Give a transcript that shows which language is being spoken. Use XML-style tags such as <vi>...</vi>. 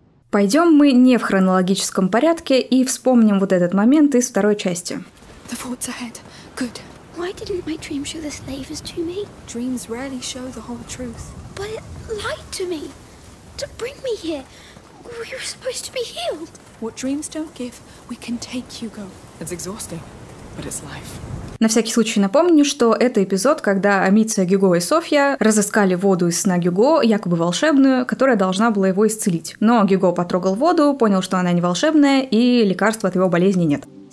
<ru>Пойдем мы не в хронологическом порядке и вспомним вот этот момент из второй части.</ru> <en>The fort's ahead. Good. Why didn't my dream show the slavers to me? Dreams rarely show the whole truth. But it lied to me. To bring me here. We were supposed to be healed. What dreams don't give, we can take, Hugo. It's exhausting, but it's life.</en> <ru>На всякий случай напомню, что это эпизод, когда Амиция, Гюго и Софья разыскали воду из сна Гюго, якобы волшебную, которая должна была его исцелить. Но Гюго потрогал воду, понял, что она не волшебная, и лекарства от его болезни нет.</ru>